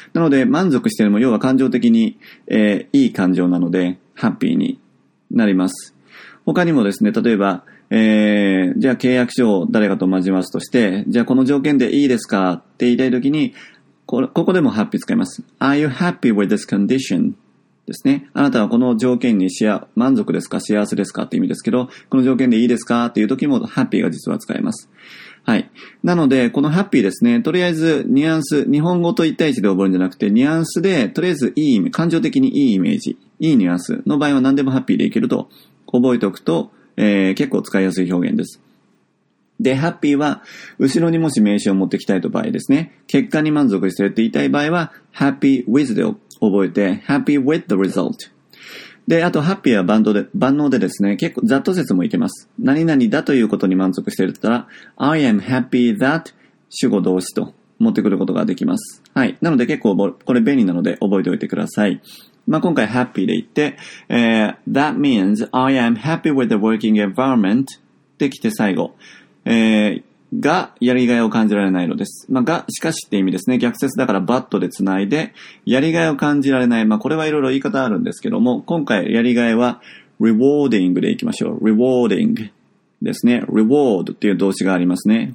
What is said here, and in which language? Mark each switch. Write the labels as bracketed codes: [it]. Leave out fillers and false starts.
[ja] なので、満足してるのも要は感情的に、いい感情なので、ハッピーになります。他にもですね、例えば、じゃあ契約書を誰かと交わすとして、じゃあこの条件でいいですかって言いたいときに、ここでもハッピー使います。 [en] Are you happy with this condition? [ja] ですね。あなたはこの条件に満足ですか幸せですかって意味ですけど、この条件でいいですかっていう時もハッピーが実は使えます。はい。なので、このハッピーですね、とりあえずニュアンス、日本語と一対一で覚えるんじゃなくて、ニュアンスで、とりあえずいい意味、感情的にいいイメージ、いいニュアンスの場合は何でもハッピーでいけると覚えておくと、結構使いやすい表現です。で、ハッピーは、後ろにもし名詞を持ってきたいと場合ですね、結果に満足してるって言いたい場合は、happy with で覚えて、 [en] happy with the result。 [ja] で、あと、ハッピーは万能でですね、結構、ざっと説もいけます。何々だということに満足してるって言ったら、 [en] I am happy that [ja] 主語動詞と持ってくることができます。はい。なので結構、これ便利なので覚えておいてください。まあ、今回、 [en] happy [ja] で言って、 [en] that means I am happy with the working environment [ja] って来て最後。が、やりがいを感じられないのです。まあ、が、しかしって意味ですね。逆説だから、バットでつないで、やりがいを感じられない。まあ、これはいろいろ言い方あるんですけども、今回、やりがいは、rewarding でいきましょう。 rewarding ですね。reward っていう動詞がありますね。